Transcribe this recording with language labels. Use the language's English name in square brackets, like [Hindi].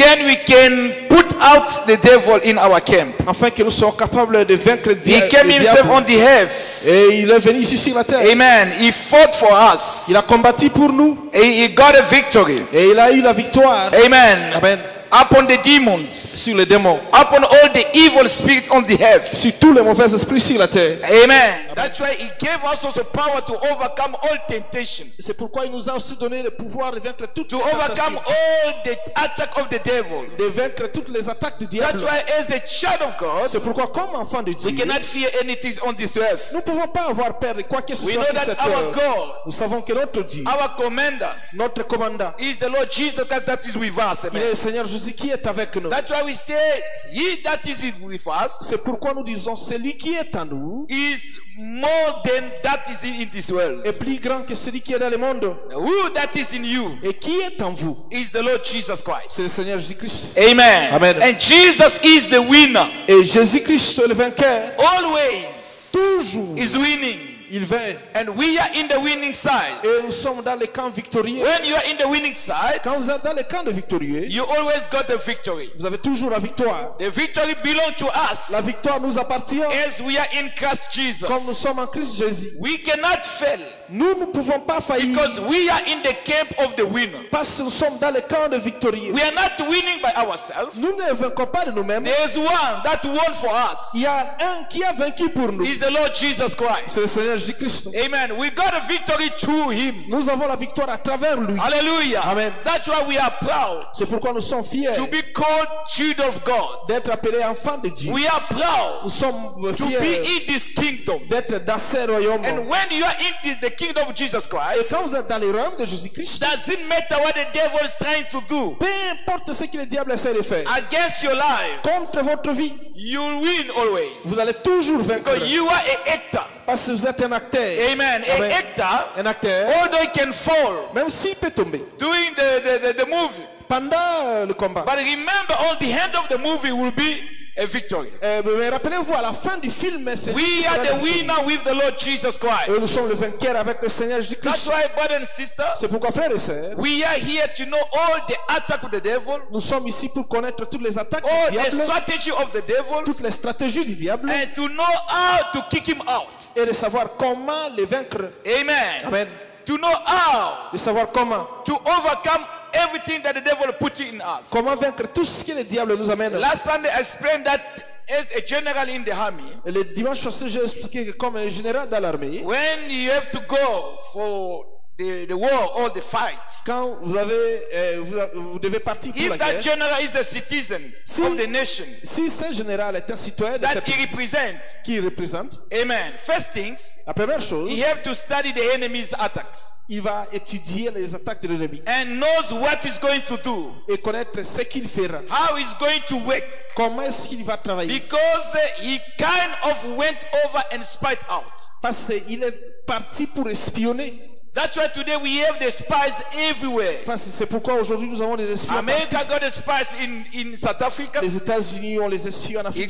[English] Then we can put out the devil in our camp. [French] Afin que nous soyons capables de vaincre le diable. [English] He came himself on the earth. [French] Et il est venu ici sur la terre. [English] Amen. He fought for us. [French] Il a combattu pour nous. [English] And he got a victory. [French] Et il a eu la victoire. Amen. Amen. [English] Upon the demons, [French] sur les démons. [English] Upon all the evil spirits on the earth, [French] sur tous les mauvais esprits sur la terre. [English] Amen. That's why he gave us also power to overcome all temptation. [French] C'est pourquoi il nous a aussi donné le pouvoir de vaincre toutes les tentations. [English] To overcome all the attack of the devil, [French] de vaincre toutes les attaques du diable. [English] That's why as a child of God, [French] c'est pourquoi comme enfant de Dieu, [English] we cannot fear anything on this earth. [French] Nous ne pouvons pas avoir peur de quoi que ce soit sur cette terre. [English] We know that our God, [French] nous savons que notre Dieu, [English] our commander, [French] notre commandant, [English] is the Lord Jesus Christ that is with us. [French] Il est le Seigneur Jésus. Jésus qui est avec nous. [English] That's why we say he that is with us. [French] C'est pourquoi nous disons celui qui est en nous [English] is more than that is in this world. [French] Est plus grand que celui qui est dans le monde. [English] Now, who that is in you? [French] Et qui est en vous? [English] Is the Lord Jesus Christ. [French] C'est le Seigneur Jésus-Christ. Amen. Amen. [English] And Jesus is the winner. [French] Et Jésus-Christ est le vainqueur. [English] Always. [French] Toujours. [English] Is winning. [French] Il vint. [English] And we are in the winning side. [French] Et nous sommes dans le camp victorieux. [English] When you are in the winning side, [French] quand vous êtes dans le camp de victorieux, [English] you always got the victory. [French] Vous avez toujours la victoire. [English] The victory belongs to us. [French] La victoire nous appartient. [English] As we are in Christ Jesus. [French] Comme nous sommes en Christ Jésus. [English] We cannot fail. [French] Nous ne pouvons pas faillir. [English] Because we are in the camp of the winner. [French] Parce que nous sommes dans le camp de victorieux. [English] We are not winning by ourselves. [French] Nous ne vainquons pas de nous-mêmes. [English] There is one that won for us. [French] Il y a un qui a vaincu pour nous. [English] He's the Lord Jesus Christ. [French] C'est le Seigneur Jésus Christ. [English] Amen. We got a victory through him. [French] Nous avons la victoire à travers lui. Hallelujah. Amen. [English] That's why we are proud. [French] C'est pourquoi nous sommes fiers. [English] To be called children of God. [French] D'être appelés enfants de Dieu. [English] We are proud. [French] Nous sommes fiers. [English] To be in this kingdom. [French] D'être dans ce royaume. [English] And when you are in this, the kingdom of Jesus Christ. [French] Et quand vous êtes dans les rangs de Jésus Christ. [English] Doesn't matter what the devil is trying to do. [French] Peu importe ce que le diable essaie de faire. [English] Against your life. [French] Contre votre vie. [English] You win always. [French] Vous allez toujours vaincre. [English] Because you are an actor. [French] Parce que vous êtes un acteur. Amen. Amen. Un acteur. [English] Although he can fall. [French] Même s'il peut tomber. [English] Doing the movie. [French] Pendant le combat. [English] But remember, all the end of the movie will be a victory. [French] Mais rappelez-vous, à la fin du film, c'est [English] we are the winner with the Lord Jesus Christ. [French] Et nous sommes le vainqueur avec le Seigneur Jésus Christ. [English] That's why, brother and sister, [French] c'est pourquoi, frères et sœurs, [English] we are here to know all the attack of the devil. [French] Nous sommes ici pour connaître toutes les attaques [English] all [French] du diable. [English] The strategy of the devil. [French] Toutes les stratégies du diable. [English] And to know how to kick him out. [French] Et de savoir comment le vaincre. Amen. Amen. [English] To know how. [French] De savoir comment. [English] To overcome everything that the devil put in us. [French] Comment vaincre tout ce que le diable nous amène. [English] Last Sunday I explained that as a general in the army. [French] Le dimanche passé j'ai expliqué que comme un général dans l'armée. [English] When you have to go for the war or the fight. [French] Quand vous avez vous devez partir pour la guerre. [English] If that general is a citizen [French] si, [English] of the nation. [French] Si ce général est un citoyen [English] that [French] de cette qui représente. [English] Amen. First things. [French] La première chose. [English] He have to study the enemy's attacks. [French] Il va étudier les attaques de l'ennemi. [English] And knows what he's going to do. [French] Et connaître ce qu'il fera. [English] How he's going to work. [French] Comment est-ce qu'il va travailler? [English] Because he kind of went over and spied out. [French] Parce qu'il est parti pour espionner. [English] That's why today we have the spies everywhere. [French] Parce que c'est pourquoi aujourd'hui nous avons des espions. [English] America got the spies in South Africa. [French] Les États-Unis ont les espions en Afrique.